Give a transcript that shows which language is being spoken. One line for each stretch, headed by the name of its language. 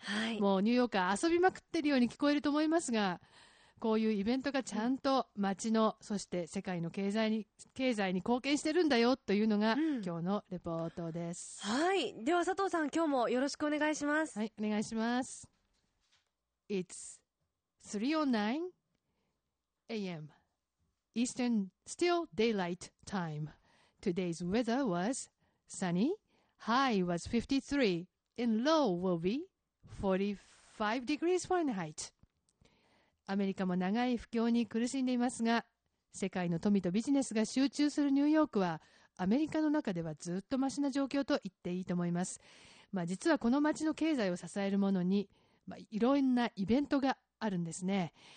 Japanese: はい、もうニューヨーカー遊びまくってるように聞こえると思いますが、こういうイベントがちゃんと街の、うん、そして世界の経済に貢献してるんだよというのが、うん、今日のレポートです。はい、では佐藤さん、今日もよろしくお願いします。はい、お願いします。
English: It's 3:09 AM Eastern still daylight time. Today's weather was sunny. High was 53 and low will be 45 degrees Fahrenheit.
Japanese: アメリカも長い不況に苦しんでいますが、世界の富とビジネスが集中するニューヨークは、アメリカの中ではずっとマシな状況と言っていいと思います。まあ、実はこの街の経済を支えるものに、まあ、いろんなイベントがあるんですね。